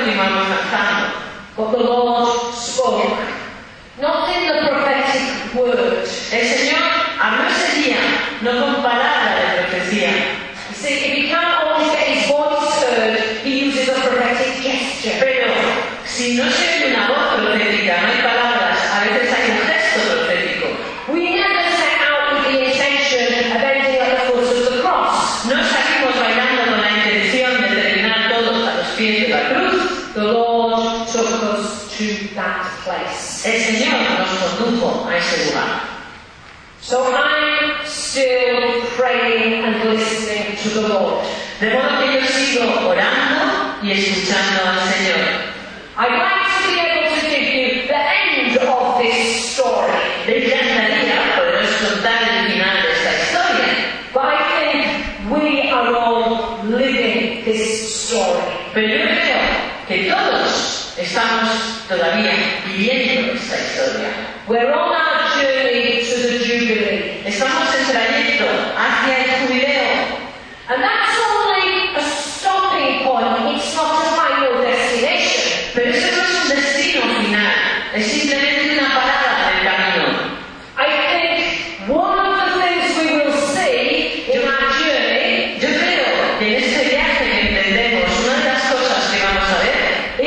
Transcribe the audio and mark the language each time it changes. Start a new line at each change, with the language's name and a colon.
English: But the Lord spoke, not in the prophetic word.
Spanish: El Señor habló ese día, no con palabra de profecía.
English: You see, if he can't always get his voice heard, he uses a prophetic gesture.
Spanish: Pero si no se oye una voz profética, no hay palabras, a veces hay un gesto profético.
English: We never set out with the intention of ending at the foot of the cross.
Spanish: No salimos bailando con la intención de terminar todos a los pies de la cruz.
English: The Lord took us to that place.
Spanish: El Señor nos condujo a ese lugar.
English: So I'm still praying and listening to the Lord.
Spanish: De modo que yo sigo orando y escuchando al Señor.
English: I'd like to be able to give you the end of this story.
Spanish: Me encantaría poderos contar el final de esta historia.
English: But I think we are all living this story.
Spanish: Pero yo creo que todos estamos todavía viviendo esta historia.
English: We're on our journey to the Jubilee.
Spanish: Estamos en trayecto hacia el jubileo.
English: And that's only a stopping point. It's not a final destination.
Spanish: Pero eso no es un destino final. Es simplemente una parada en el camino.
English: I think one of the things we will see in our journey.
Spanish: Yo creo que en este viaje que emprendemos, una de las cosas que vamos a ver